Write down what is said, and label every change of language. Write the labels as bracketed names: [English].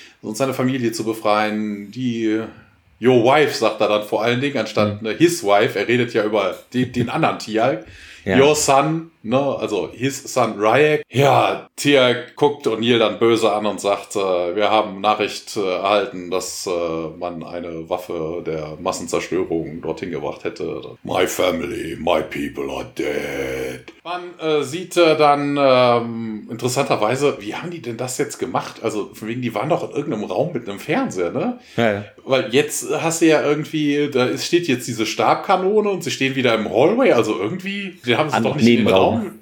[German] Und seine Familie zu befreien, die [English] Your Wife, [German] sagt er dann vor allen Dingen, anstatt ne, [English] His Wife, [German] er redet ja über den anderen Tiag, ja. [English] Your Son, [German] ne, also [English] His Son [German] Ryak. Ja, Tiag guckt O'Neill dann böse an und sagt, wir haben Nachricht erhalten, dass man eine Waffe der Massenzerstörung dorthin gebracht hätte. [English] My family, my people are dead. [German] Man sieht dann interessanterweise, wie haben die denn das jetzt gemacht? Also von wegen, die waren doch in irgendeinem Raum mit einem Fernseher, ne? Ja. Weil jetzt hast du ja irgendwie, da steht jetzt diese Stabkanone und sie stehen wieder im Hallway, also irgendwie, die haben sie doch nicht im Raum.